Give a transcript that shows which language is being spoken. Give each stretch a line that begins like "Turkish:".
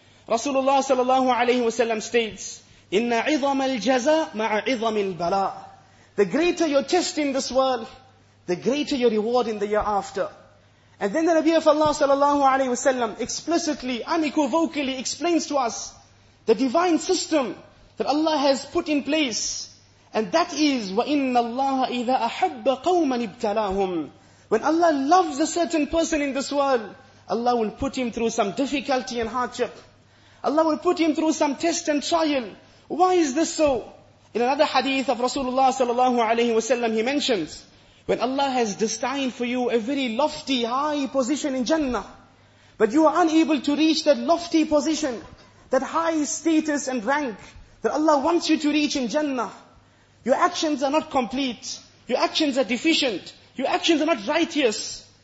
English: Rasulullah sallallahu alayhi wa sallam states, إِنَّ عِظَمَ الْجَزَى مَعَ عِظَمِ الْبَلَىٰ. The greater your test in this world, the greater your reward in the year after. And then the Nabi of Allah sallallahu alayhi wa sallam explicitly, unequivocally explains to us the divine system that Allah has put in place.
Arabic: And that is, وَإِنَّ اللَّهَ إِذَا أَحَبَّ قَوْمًا ابْتَلَاهُمْ.
English: When Allah loves a certain person in this world, Allah will put him through some difficulty and hardship. Allah will put him through some test and trial. Why is this so? In another hadith of Rasulullah sallallahu alayhi wa sallam, he mentions, when Allah has destined for you a very lofty, high position in Jannah, but you are unable to reach that lofty position, that high status and rank that Allah wants you to reach in Jannah, your actions are not complete, your actions are deficient, your actions are not righteous.